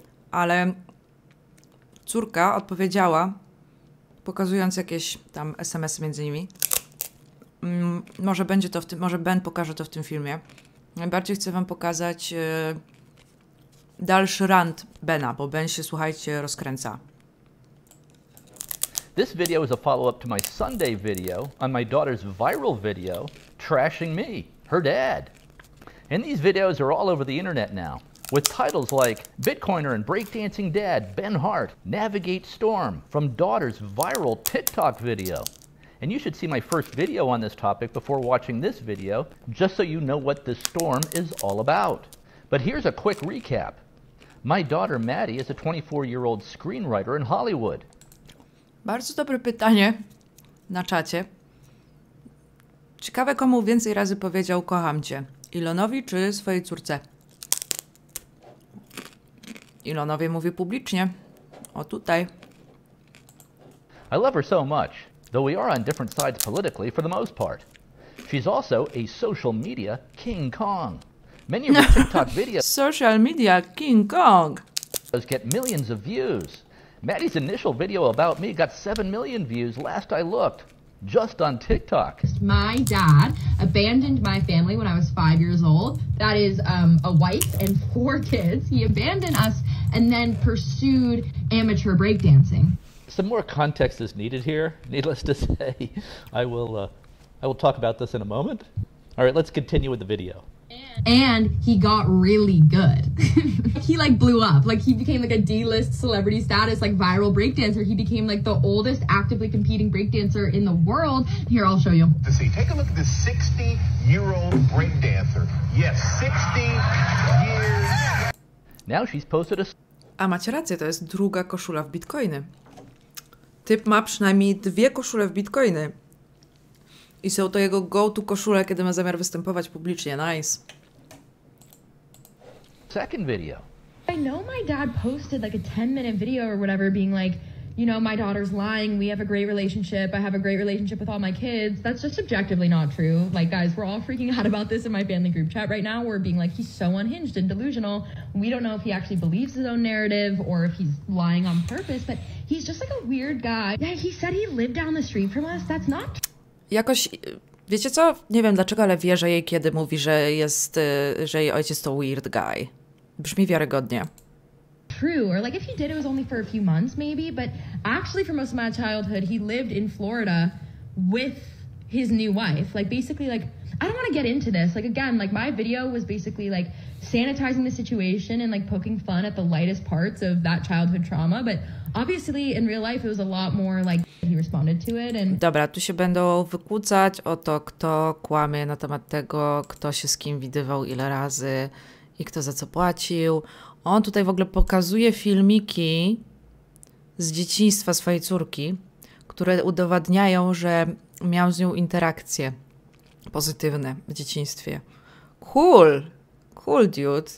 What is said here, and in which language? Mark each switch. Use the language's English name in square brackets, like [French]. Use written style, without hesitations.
[Polish] Ale córka odpowiedziała, pokazując jakieś tam SMS-y między nimi. Może Ben pokaże to w tym filmie. Najbardziej chcę wam pokazać... dalszy rant Bena, bo Ben się, słuchajcie, rozkręca. [English] This video is a follow-up to my Sunday video on my daughter's viral video trashing me, her dad. And these videos are all over the internet now, with titles like Bitcoiner and Breakdancing Dad, Ben Hart, Navigate Storm, from daughter's viral TikTok video. And you should see my first video on this topic before watching this video, just so you know what this storm is all about. But here's a quick recap. My daughter Maddie is a 24-year-old screenwriter in Hollywood. [Polish] Bardzo dobre pytanie na czacie. Ciekawe, komu więcej razy powiedział kocham cię. Elonowi czy swojej córce? Elonowi mówi publicznie. O tutaj. [English] I love her so much, though we are on different sides politically for the most part. She's also a social media King Kong. Many of her TikTok videos social media King Kong get millions of views. Maddie's initial video about me got 7 million views last I looked, just on TikTok. My dad abandoned my family when I was 5 years old. That is a wife and 4 kids. He abandoned us and then pursued amateur breakdancing. Some more context is needed here. Needless to say, I will talk about this in a moment. All right, let's continue with the video. And he got really good. He like blew up. Like he became like a D-list celebrity status, like viral breakdancer. He became like the oldest actively competing breakdancer in the world. Here, I'll show you. Let's see, take a look at this 60-year-old breakdancer. Yes, 60 years. Now she's posted a... [Polish] A macie rację, to jest druga koszula w bitcoiny. Typ ma przynajmniej 2 koszule w bitcoiny. I są to jego go-to koszule, kiedy ma zamiar występować publicznie. [English] Nice. Second video. I know my dad posted like a 10-minute video or whatever being like, you know, my daughter's lying, we have a great relationship, I have a great relationship with all my kids. That's just objectively not true. Like, guys, we're all freaking out about this in my family group chat right now. We're being like, he's so unhinged and delusional. We don't know if he actually believes his own narrative or if he's lying on purpose, but he's just like a weird guy. Yeah, he said he lived down the street from us. That's not true. [Polish] Jakoś, wiecie co? Nie wiem dlaczego, ale wierzę jej, kiedy mówi, że jest, że jej ojciec to [English] weird guy. [Polish] Brzmi wiarygodnie. [English] True, or like if he did, it was only for a few months maybe, but actually for most of my childhood, he lived in Florida with his new wife. Like, basically, like, I don't want to get into this. Like, again, like, my video was basically, like, sanitizing the situation and, like, poking fun at the lightest parts of that childhood trauma. But obviously, in real life, it was a lot more, like, he responded to it. And [Polish] dobra, tu się będą wykłócać o to, kto kłamie na temat tego, kto się z kim widywał, ile razy i kto za co płacił. On tutaj w ogóle pokazuje filmiki z dzieciństwa swojej córki, które udowadniają, że miał z nią interakcje pozytywne w dzieciństwie. [English] Cool! Cool, dude.